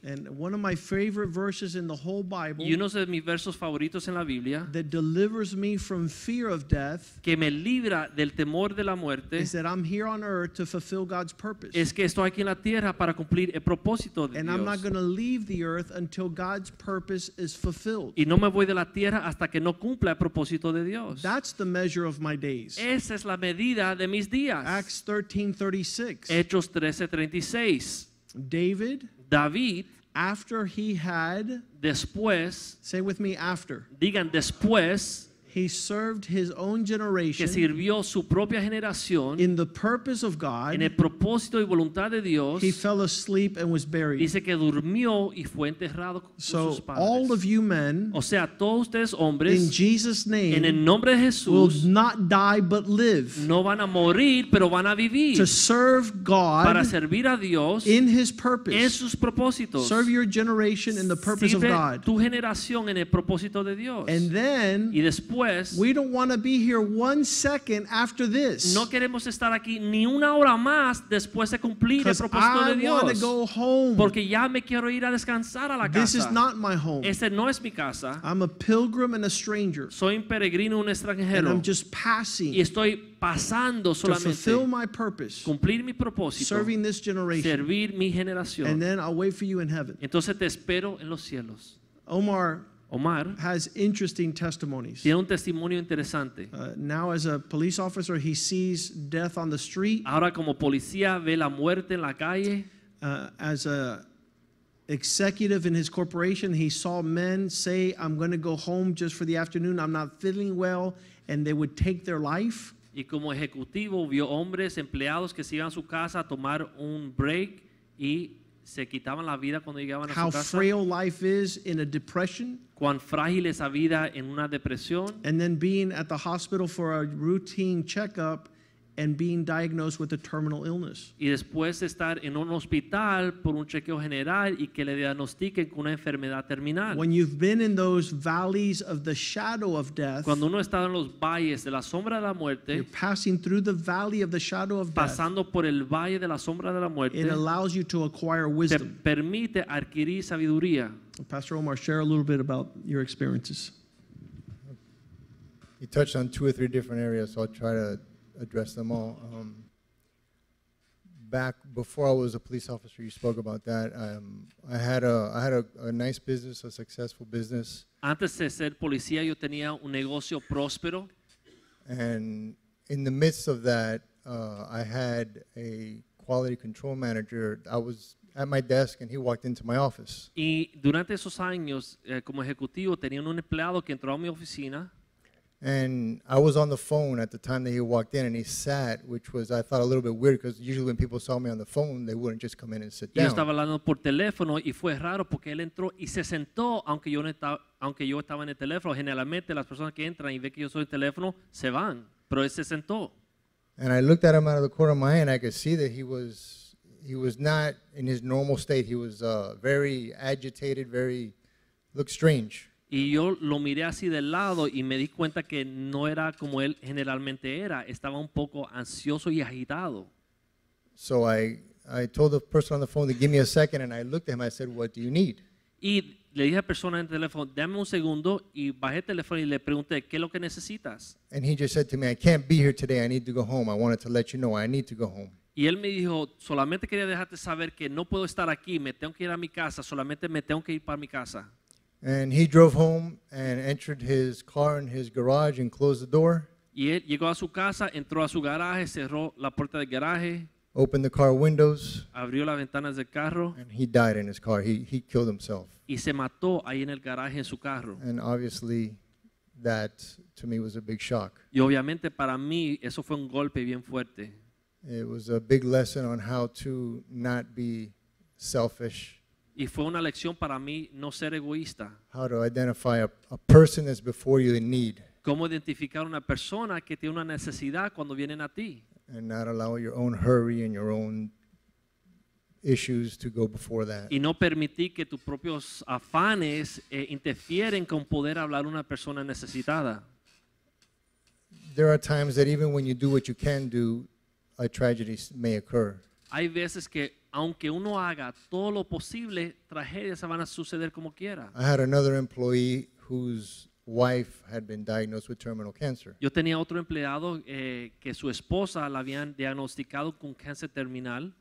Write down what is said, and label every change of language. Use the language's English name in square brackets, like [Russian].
[English] And one of my favorite verses in the whole Bible. [Spanish] Y uno de mis versos favoritos en la Biblia. [English] That delivers me from fear of death. [Spanish] Que me libra del temor de la muerte. [English] Is that I'm here on earth to fulfill God's purpose. [Spanish] Es que estoy aquí en la tierra para cumplir el propósito de [English] And I'm not going to leave the earth until God's purpose is fulfilled. [Spanish] Y no me voy de la tierra hasta que no cumpla el propósito de Dios. [English] That's the measure of my days. [Spanish] Esa es la medida de mis días. [English] Acts 13:36. [Spanish] Hechos 13:36. [English] David, after he had, [Spanish] después, [English] say with me after, [Spanish] digan después, [English] he served his own generation, [Spanish] que sirvió su propia generación, [English] in the purpose of God, [Spanish] en el propósito y voluntad de Dios, [English] he fell asleep and was buried. [Spanish] Dice que durmió y fue enterrado con sus padres. [English] So all of you men, [Spanish] o sea, todos ustedes hombres, [English] in Jesus' name, [Spanish] en el nombre de Jesús, [English] will not die but live. [Spanish] No van a morir, pero van a vivir. [English] To serve God, [Spanish] para servir a Dios, [English] in his purpose, [Spanish] en sus propósitos. [English] Serve your generation in the purpose [Spanish] sirve [English] of God. [Spanish] Tu generación en el propósito de Dios. [English] And then, [Spanish] y después, después. [English] We don't want to be here 1 second after this. [Spanish] No queremos estar aquí ni una hora más después de cumplir el propósito de Dios. [English] I want to go home. [Spanish] Porque ya me quiero ir a descansar a la casa. [English] This is not my home. [Spanish] Este no es mi casa. [English] I'm a pilgrim and a stranger. [Spanish] Soy un peregrino y un extranjero. [English] And I'm just passing. [Spanish] Y estoy pasando solamente. [English] To fulfill my purpose. [Spanish] Cumplir mi propósito. [English] Serving this generation. [Spanish] Servir mi generación. [English] And then I'll wait for you in heaven. [Spanish] Entonces te espero en los cielos. [English] Omar has interesting testimonies. [Spanish] Tiene un testimonio interesante. [English] Now as a police officer, he sees death on the street. [Spanish] Ahora como policía ve la muerte en la calle. [English] As a executive in his corporation, he saw men say, "I'm going to go home just for the afternoon. I'm not feeling well," and they would take their life. [Spanish] Y como ejecutivo vio hombres empleados que se iban a su casa a tomar un break y se quitaban la vida cuando llegaban a su casa. [English] How frail life is in a depression. [Spanish] Cuán frágil es la vida en una depresión. [English] And then being at the hospital for a routine checkup and being diagnosed with a terminal illness. [Spanish] Y después estar en un hospital por un chequeo general y que le diagnostiquen con una enfermedad terminal. [English] When you've been in those valleys of the shadow of death. [Spanish] Cuando uno está en los valles de la sombra de la muerte. [English] You're passing through the valley of the shadow of death. [Spanish] Pasando por el valle de la sombra de la muerte. [English] It allows you to acquire wisdom. [Spanish] Te permite adquirir sabiduría. [English] Pastor Omar, share a little bit about your experiences. He touched on two or three different areas, so I'll try to address them all. Back before I was a police officer, you spoke about that. I had a nice business, a successful business. [Spanish] Antes de ser policía, yo tenía un negocio próspero. [English] And in the midst of that, I had a quality control manager. I was at my desk and he walked into my office. [Spanish] Y durante esos años, como ejecutivo, tenía un empleado que entró a mi oficina. [English] And I was on the phone at the time that he walked in, and he sat, which was, I thought, a little bit weird, because usually when people saw me on the phone, they wouldn't just come in and sit down. [Spanish] Yo estaba hablando por teléfono, y fue raro porque él entró y se sentó, aunque yo estaba en el teléfono. Generalmente las personas que entran y ven que yo soy el teléfono se van, pero él se sentó. [English] And I looked at him out of the corner of my eye, and I could see that he was not in his normal state. He was very agitated, very looked strange. [Spanish] Y yo lo miré así del lado y me di cuenta que no era como él generalmente era. Estaba un poco ansioso y agitado. [English] So I told the person on the phone to give me a second, and I looked at him. I said, "What do you need?" [Spanish] Y le dije a la persona en el teléfono, dame un segundo, y bajé el teléfono y le pregunté, ¿qué es lo que necesitas? [English] And he just said to me, "I can't be here today. I need to go home. I wanted to let you know I need to go home." [Spanish] Y él me dijo, solamente quería dejarte saber que no puedo estar aquí. Me tengo que ir a mi casa. Solamente me tengo que ir para mi casa. [English] And he drove home and entered his car in his garage and closed the door. [Spanish] Y él llegó a su casa, entró a su garaje, cerró la puerta del garaje. [English] Opened the car windows. [Spanish] Abrió las ventanas del carro. [English] And he died in his car. He killed himself. [Spanish] Y se mató ahí en el garaje en su carro. [English] And obviously, that to me was a big shock. [Spanish] Y obviamente para mí eso fue un golpe bien fuerte. [English] It was a big lesson on how to not be selfish. [Spanish] Y fue una lección para mí no ser egoísta. [English] How to identify a person that's before you in need. [Spanish] Cómo identificar una persona que tiene una necesidad cuando vienen a ti. [English] And not allow your own hurry and your own issues to go before that. [Spanish] Y no permitir que tus propios afanes interfieren con poder hablar a una persona necesitada. [English] There are times that even when you do what you can do, a tragedy may occur. [Spanish] Hay veces que aunque uno haga todo lo posible, tragedias van a suceder como quiera. [English] I had another employee whose wife had been diagnosed with terminal cancer. [Spanish] Yo tenía otro empleado que su esposa la habían diagnosticado con cáncer terminal.